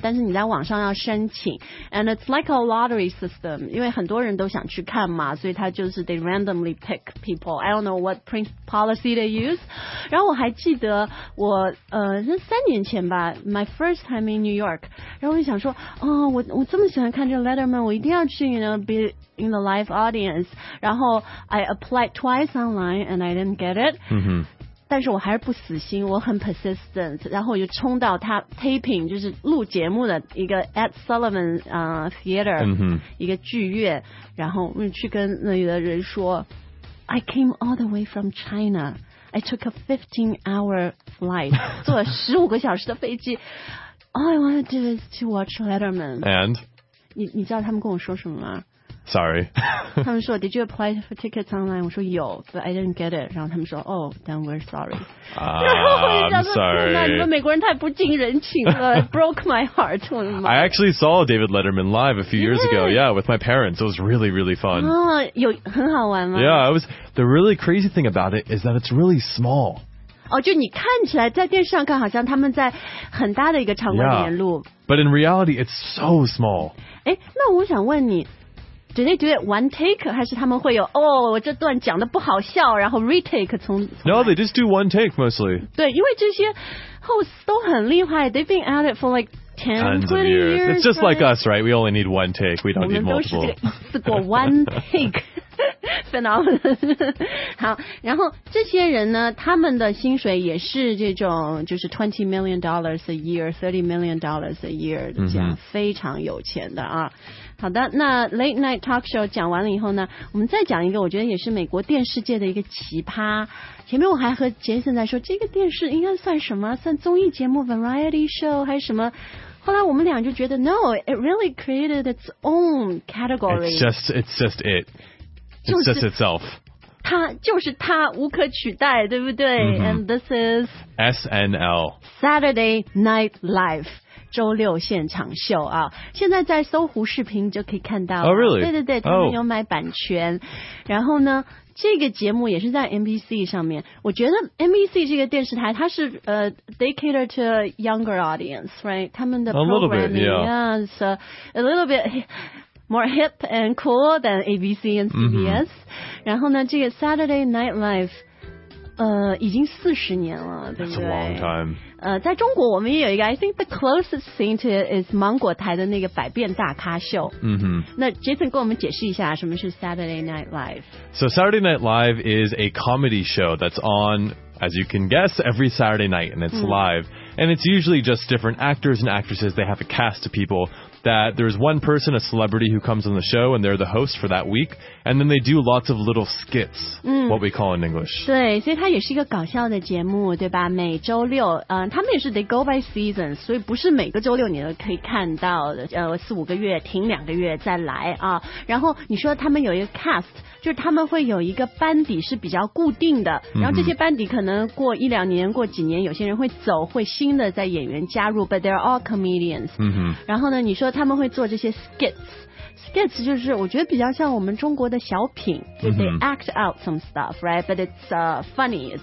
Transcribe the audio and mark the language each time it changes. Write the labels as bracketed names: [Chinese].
[Chinese] 但是你在网上要申请 [English] and it's like a lottery system [Chinese] 因为很多人都想去看嘛所以他就是 [English] they randomly pick people I don't know what print policy they use [Chinese] 然后我还记得我三年前吧 [English] my first time in New York [Chinese] 然后我就想说、哦、我这么喜欢看这 [English] Letterman [Chinese] 我一定要去 [English] you know, be in the live audience [Chinese] 然后 [English] I applied twice online and I didn't get it、 mm-hmm. [Chinese] 但是我还是不死心我很 persistent 然后我就冲到他 taping 就是录节目的一个 Ed Sullivan Theater、 mm-hmm. 一个剧院然后我去跟那里的人说 [English] I came all the way from China I took a 15-hour flight [Chinese] 坐了15个小时的飞机 [English] All I want to do is to watch Letterman And? [Chinese] 你知道他们跟我说什么吗 [English] Sorry. [Chinese] 他们说 [English] Did you apply for tickets online? [Chinese] 我说有 [English] But I didn't get it. [Chinese] 然后他们说 [English] Oh, then we're sorry. I'm sorry. [Chinese] 你们美国人太不近人情了 [English] Broke my heart. I actually saw David Letterman live a few years ago. Yeah, with my parents. It was really, really fun. [Chinese] 有很好玩吗 [English] Yeah, it was, the really crazy thing about it is that it's really small. [Chinese] 就你看起来在电视上看好像他们在很大的一个场馆里面录 [English] But in reality, it's so small. [Chinese] 那我想问你 [English] Do they do it one take? [Chinese] 还是他们会有哦，我这段讲的不好笑，然后 retake 从 [English] No, they just do one take mostly. [Chinese] 对，因为这些 [English] hosts [Chinese] 都很厉害 [English] They've been at it for like 10, 20 years. It's just like us, right? We only need one take. We don't need multiple. [Chinese] 我们都是这个一次过 [English] one take phenomenon. [Chinese] 好，然后这些人呢，他们的薪水也是这种，就是 [English] $20 million a year, [Chinese] $30 million a year 的这样，非常有钱的啊。好的，那 late night talk show 讲完了以后呢，我们再讲一个，我觉得也是美国电视界的一个奇葩。前面我还和杰森在说，这个电视应该算什么？算综艺节目 variety show 还是什么？后来我们俩就觉得 [English] no, it really created its own category. It's just it. It's just itself. [Chinese] 它就是它，无可取代，对不对、 mm-hmm. [English] ？And this is SNL Saturday Night Live. [Chinese] 周六现场秀啊现在在搜狐视频就可以看到、 [English] oh, really? [Chinese] 对对对他们有买版权、oh. 然后呢这个节目也是在 NBC 上面我觉得 NBC 这个电视台它是 [English] they cater to a younger audience right [Chinese] 他们的 programming [English] a little bit,、yeah. is a little bit more hip and cool than ABC and CBS、mm-hmm. [Chinese] 然后呢这个 [English] Saturday Night Live [Chinese] 已经四十年了，对不对？ [English] That's a long time. [Chinese] 在中国我们也有一个 [English] I think the closest thing to it is [Chinese] 芒果台的那个百变大咖秀。 Mm-hmm. 那 Jason 跟我们解释一下什么是 Saturday Night Live. [English] So Saturday Night Live is a comedy show that's on... As you can guess, every Saturday night, and it's live. And it's usually just different actors and actresses. They have a cast of people that there's one person, a celebrity, who comes on the show, and they're the host for that week. And then they do lots of little skits, what we call in English. [Chinese] 对，所以它也是一个搞笑的节目，对吧？每周六，他们也是 [English] they go by seasons, [Chinese] 所以不是每个周六你都可以看到的，四五个月停两个月再来啊。然后你说他们有一个 cast。就是他们会有一个班底是比较固定的然后这些班底可能过一两年过几年有些人会走会新的在演员加入 [English] but they're all comedians [Chinese] 然后呢你说他们会做这些 skits 就是我觉得比较像我们中国的小品 [English] they act out some stuff right but it's funny